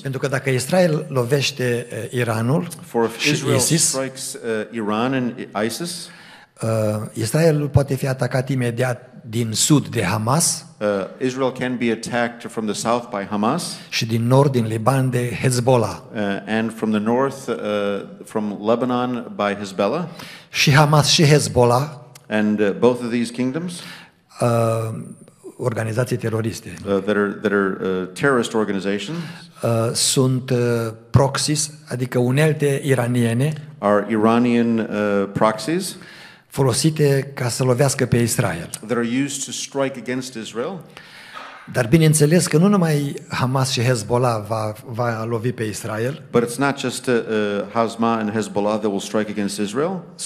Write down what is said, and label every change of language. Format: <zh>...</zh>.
<ro>Pentru că dacă Israel lovește Iranul,</ro> <en>for if Israel</en> <ro>și ISIS,</ro> <en>strikes Iran and ISIS,</en> <ro>Israel poate fi atacat imediat din sud de Hamas.</ro> <en>Israel can be attacked from the south by Hamas.</en> <ro>Și din nord din Liban de Hezbollah.</ro> <en>And from the north from Lebanon by Hezbollah.</en> <ro>Și Hamas și Hezbollah.</ro> <en>And both of these kingdoms.</en> <ro>Organizații teroriste.</ro> <en>That are terrorist organizations.</en> <ro>Sunt proxies, adică unelte iraniene.</ro> <en>Are Iranian proxies.</en> <ro>Folosite ca să lovească pe Israel.</ro> <en>That are used to strike against Israel.</en> <ro>Dar bineînțeles că nu numai Hamas și Hezbollah va lovi pe Israel.</ro> <en>But it's not just Hamas and Hezbollah that will strike against Israel.</en>